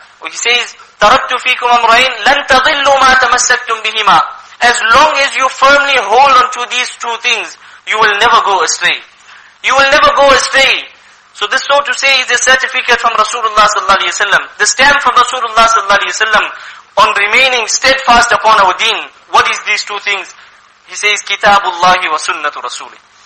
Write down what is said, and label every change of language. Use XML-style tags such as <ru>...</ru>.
<ar>He says, تَرَبْتُ فِيكُمْ أَمْرَيْن لَنْ تَضِلُّوا مَا تَمَسَّكْتُمْ بِهِمَا.</ar> <en>As long as you firmly hold on to these two things, you will never go astray. You will never go astray. So this, so to say, is a certificate from Rasulullah sallallahu alayhi wa sallam. The stamp from Rasulullah sallallahu alayhi wa sallam on remaining steadfast upon our deen. What is these two things?</en> <ar>He says, كِتَابُ اللَّهِ وَسُنَّةُ رَسُولِهِ.</ar>